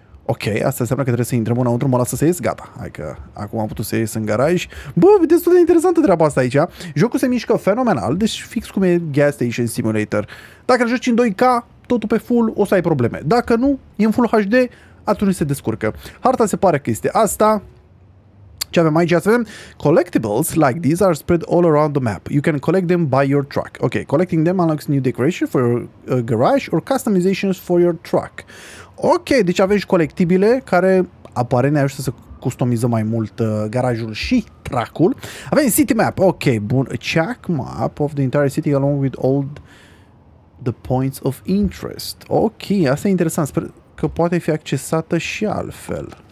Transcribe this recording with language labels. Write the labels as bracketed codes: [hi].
[ro] Ok, asta înseamnă că trebuie să intrăm înăuntru, mă lasă să ies, gata. Hai că acum am putut să ies în garaj. Bă, e destul de interesantă treaba asta aici. Jocul se mișcă fenomenal, deci fix cum e Gas Station Simulator. Dacă joci în 2K, totul pe full, o să ai probleme. Dacă nu, e în full HD, atunci se descurcă. Harta se pare că este asta. Ce avem aici? Să vedem. [en] Collectibles like these are spread all around the map. You can collect them by your truck. Ok, collecting them unlocks new decoration for your garage or customizations for your truck. [ro] Ok, deci avem și colectibile care aparent ne ajută să customizăm mai mult garajul și truck-ul. Avem city map, ok, bun. [en] A check map of the entire city along with all the points of interest. [ro] Ok, asta e interesant, sper că poate fi accesată și altfel.